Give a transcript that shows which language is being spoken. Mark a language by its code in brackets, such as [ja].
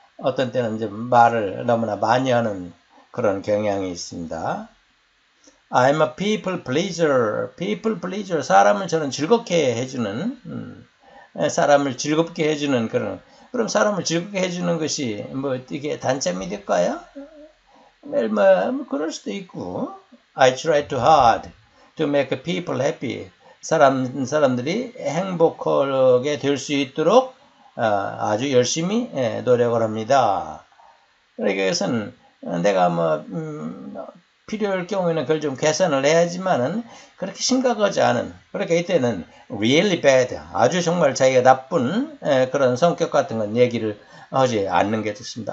[ko] 어떤 때는 이제 말을 너무나 많이 하는 그런 경향이 있습니다. [en] I'm a people pleaser. People pleaser. [ko] 사람을 저는 즐겁게 해주는, 사람을 즐겁게 해주는 그런, 그럼 사람을 즐겁게 해주는 것이 뭐 이게 단점이 될까요? 뭐 그럴 수도 있고. [en] I try too hard to make people happy. [ko] 사람들이 행복하게 될수 있도록 아주 열심히 노력을 합니다. 그러니까 이것은 내가 뭐 필요할 경우에는 그걸 좀 개선을 해야지만은 그렇게 심각하지 않은 그러니까 이때는 [en] really bad [ko] 아주 정말 자기가 나쁜 그런 성격 같은 건 얘기를 하지 않는 게 좋습니다.